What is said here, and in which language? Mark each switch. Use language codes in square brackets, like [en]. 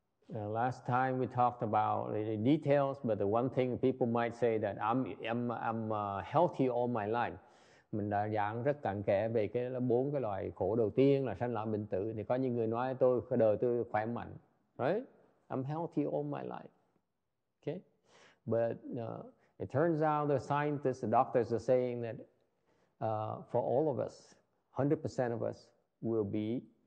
[en] Last time we talked about the details, but the one thing people might say that I'm healthy all my life. [vi] Mình đã giảng rất cặn kẽ về cái bốn cái loại khổ đầu tiên là sanh lão bệnh tử. Thì có những người nói tôi đời tôi khỏe mạnh, right? [en] I'm healthy all my life. Okay, but it turns out the scientists, the doctors are saying that for all of us, 100% of us will be